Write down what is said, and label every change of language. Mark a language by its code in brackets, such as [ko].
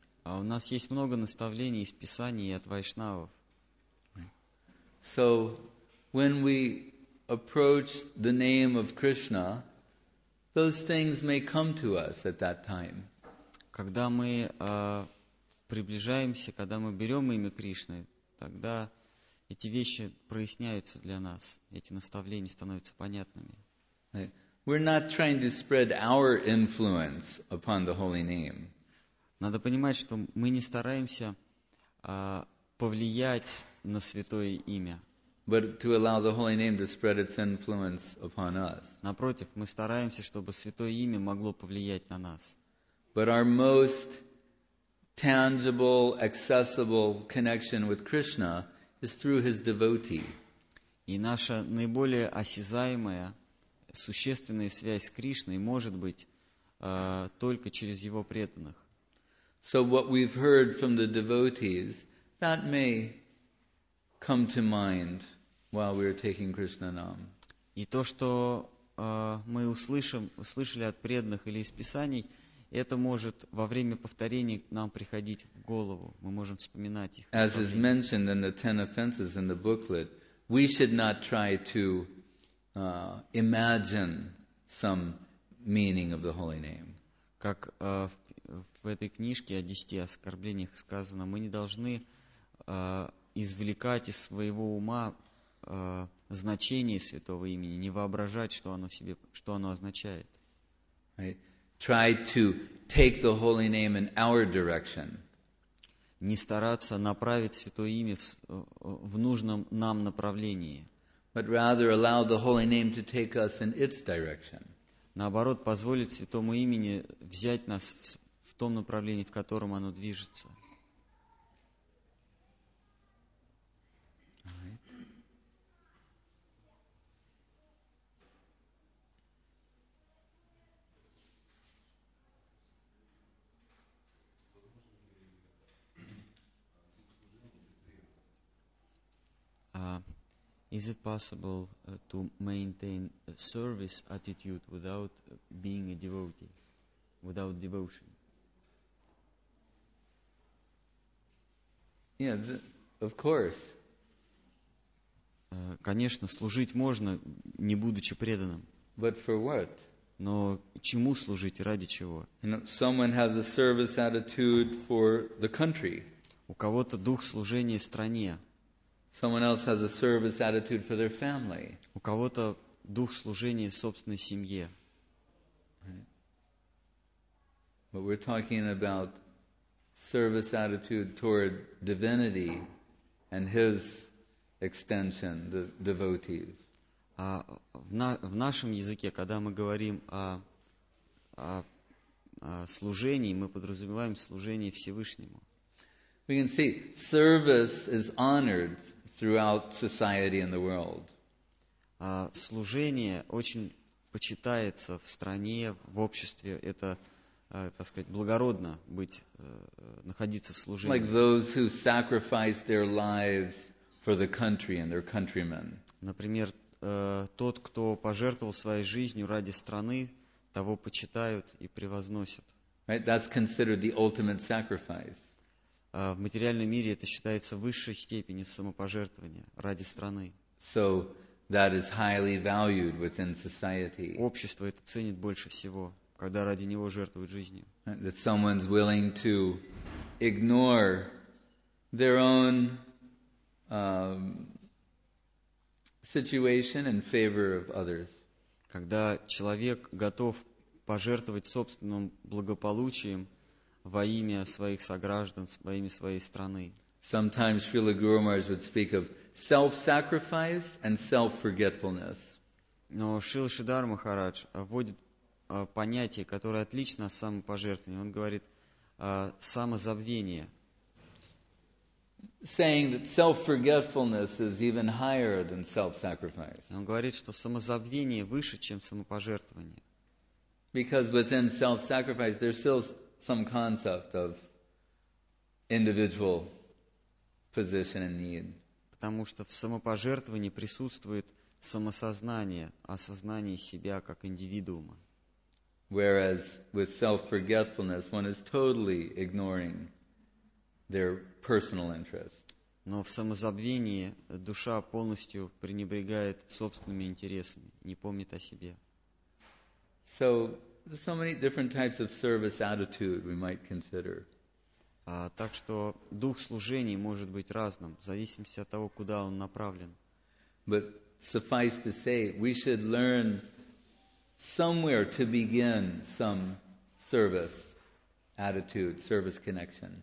[ru] У нас есть много наставлений из Писаний и от Вайшнавов. [en] So, when we approach the name of Krishna, those things may come to us at that time. [ru] Когда мы приближаемся, когда мы берем имя Кришны, тогда эти вещи проясняются для нас, эти наставления становятся понятными. [en] Right. We're not trying to spread our influence upon the holy name. [ru] Надо понимать, что мы не стараемся повлиять на святое имя. [en] But to allow the holy name to spread its influence upon us. [ru] Напротив, мы стараемся, чтобы святое имя могло повлиять на нас. [en] But our most tangible, accessible connection with Krishna is through his devotee. [ru] И наша наиболее осязаемая существенная связь с Кришной может быть только через его преданных. [en] So what we've heard from the devotees, that may come to mind while we are taking Krishna Nam. [ru] И то, что мы услышали от преданных или из писаний, это может во время повторения нам приходить в голову. Мы можем вспоминать их. [en] As is mentioned in the 10 offenses in the booklet, we should not try to imagine some meaning of the holy name. [ru] Как в этой книжке о 10 оскорблениях сказано, мы не должны извлекать из своего ума значение святого имени, не воображать, что оно означает. [en] Try to take the holy name in our direction. [ru] Не стараться направить святое имя в нужном нам направлении. [en] But rather allow the holy name to take us in its direction. [ru] Наоборот, позволить святому имени взять нас в том направлении, в котором оно движется. [en] Is it possible to maintain a service attitude without being a devotee, without devotion? Yeah, of course. [ru] Конечно, служить можно, не будучи преданным. [en] But for what? [ru] Но чему служить и ради чего? [en] Someone has a service attitude for the country. [ru] У кого-то дух служения стране. [en] Someone else has a service attitude for their family. [ru] У кого-то дух служения собственной семье. [en] But we're talking about service attitude toward divinity and his extension, the devotees. [ru] В нашем языке, когда мы говорим о служении, мы подразумеваем служение Всевышнему. [en] We can see service is honored throughout society and the world. [ru] Служение очень почитается в стране, в обществе. Это, так сказать, благородно быть, находиться в служении. [en] Like those who sacrifice their lives for the country and their countrymen. [ru] Например, тот, кто пожертвовал своей жизнью ради страны, того почитают и превозносят. [en] Right, that's considered the ultimate sacrifice. [ru] В материальном мире это считается высшей степенью самопожертвования ради страны. [en] So that is highly valued within society. [ru] Общество это ценит больше всего, когда ради него жертвуют жизнью. [en] That someone's willing to ignore their own situation in favor of others. [ru] Когда человек готов пожертвовать собственным благополучием во имя своих сограждан, во имя своей страны. [en] Sometimes Srila Guru Maharaj would speak of self-sacrifice and self-forgetfulness. [ru] Но Шрила Шридхар Махарадж вводит понятие, которое отлично от самопожертвования. Он говорит самозабвение. [en] Saying that self-forgetfulness is even higher than self-sacrifice. [ru] Он говорит, что самозабвение выше, чем самопожертвование. [en] Because within self-sacrifice there's still some concept of individual position and need. [ru] Потому что в самопожертвовании присутствует самосознание, осознание себя как индивидуума. [en] Whereas with self-forgetfulness, one is totally ignoring their personal interest. [ru] Но в самозабвении душа полностью пренебрегает собственными интересами, не помнит о себе. [en] So there's so many different types of service attitude we might consider. [ru] Так что дух служения может быть разным, в зависимости от того, куда он направлен. [en] But suffice to say, we should learn somewhere to begin some service attitude, service connection.